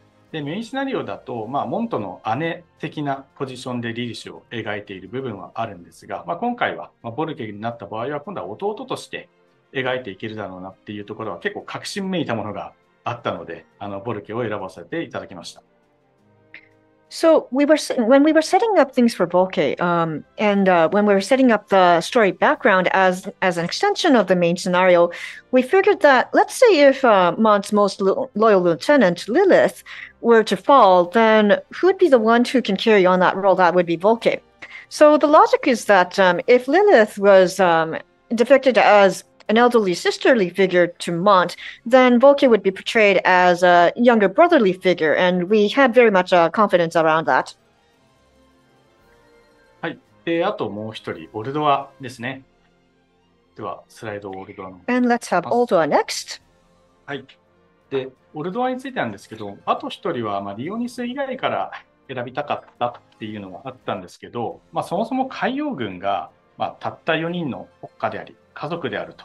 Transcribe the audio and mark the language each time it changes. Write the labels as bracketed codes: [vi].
[ja] で、メインシナリオだと、まあ、モントの姉的なポジションでリリシュを描いている部分はあるんですが、まあ、今回は、まあ、ボルケになった場合は今度は弟として描いていけるだろうなっていうところは結構確信めいたものがあったので、ボルケを選ばせていただきました。 [en] So we were when we were setting up things for Volke, when we were setting up the story background as an extension of the main scenario, we figured that let's say if Mont's most loyal lieutenant Lilith were to fall, then who would be the one who can carry on that role? That would be Volke. So the logic is that if Lilith was depicted as an elderly sisterly figure to Mont, then Volke would be portrayed as a younger brotherly figure, and we had very much confidence around that. [ja] はい。で、あともう一人、オルドアですね。では、スライドオルドアの。 [en] And let's have オルドア next. [ja] はい。で、オルドアについてなんですけど、あと一人は、リオニス以外から選びたかったっていうのはあったんですけど、そもそも海洋軍が、たった4人の国家であり、家族であると。